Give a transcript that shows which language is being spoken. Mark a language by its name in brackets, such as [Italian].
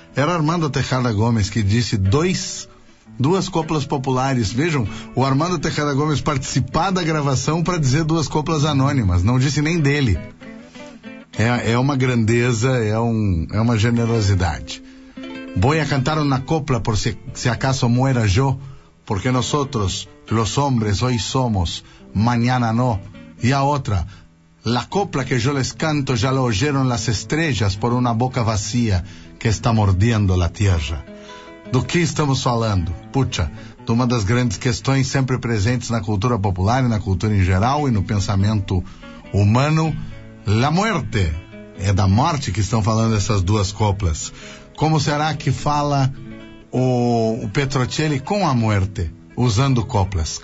[Portuguese] Era Armando Tejada Gomes que disse duas coplas populares. Vejam, o Armando Tejada Gomes participar da gravação para dizer duas coplas anônimas. Não disse nem dele. É uma grandeza, é uma generosidade. [Spanish] Voy a cantar una copla por si acaso muera yo, porque nosotros, los hombres, hoy somos, mañana no. Y a otra, la copla que yo les canto ya la oyeron las estrellas por una boca vacía que está mordiendo la tierra. [Portuguese] Do que estamos falando? Pucha, de uma das grandes questões sempre presentes na cultura popular e na cultura em geral e no pensamento humano, la muerte. É da morte que estão falando essas duas coplas. Como será que fala o Petrocelli com a muerte, usando coplas?